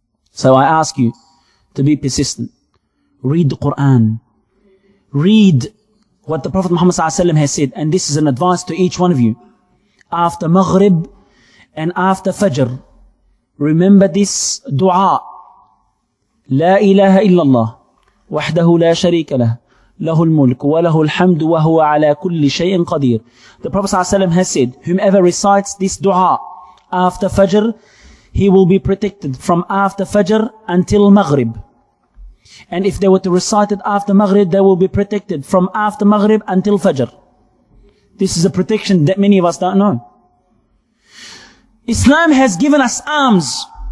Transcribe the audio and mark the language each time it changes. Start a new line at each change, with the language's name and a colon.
English: So I ask you to be persistent. Read the Quran. Read what the Prophet Muhammad sallallahu alaihi wasallam has said. And this is an advice to each one of you. After Maghrib and after Fajr, remember this dua.
Arabic: لا إله إلا الله وحده لا شريك له له الملك وله الحمد وهو على كل شيء قدير.
English: The Prophet ﷺ has said, whomever recites this dua after Fajr, he will be protected from after Fajr until Maghrib. And if they were to recite it after Maghrib, they will be protected from after Maghrib until Fajr. This is a protection that many of us don't know. Islam has given us arms.